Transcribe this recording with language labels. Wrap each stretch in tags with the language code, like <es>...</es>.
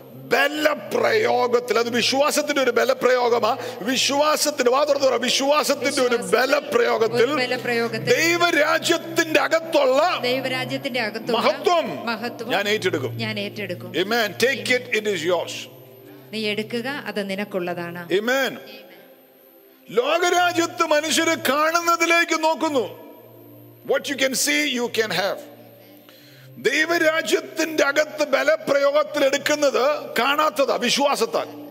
<ml>ബലപ്രയോഗത്തിൽ, അത് വിശ്വാസത്തിന്റെ ഒരു ബലപ്രയോഗമാ, വിശ്വാസത്തിന്റെ വാദോറ വിശ്വാസത്തിന്റെ ഒരു ബലപ്രയോഗത്തിൽ ദൈവരാജ്യത്തിന്റെ അകത്തുള്ള മഹത്വം ഞാൻ ഏറ്റെടുക്കും.</ml> <en>Amen. Take it, it is yours.</en> <ml>നീ എടുക്കുക, അത് നിനക്കുള്ളതാണ്.</ml> <en>Amen.</en> <ml>ലോകരാജ്യത്ത് മനുഷ്യരെ കാണുന്നതിലേക്ക് നോക്കുന്നു.</ml> <en>What you can see, you can have.</en> <ml>ദൈവരാജ്യത്തിന്റെ അകത്ത് ബലപ്രയോഗത്തിൽ എടുക്കുന്നത് കാണാത്തതാ, വിശ്വാസത്താൽ.</ml>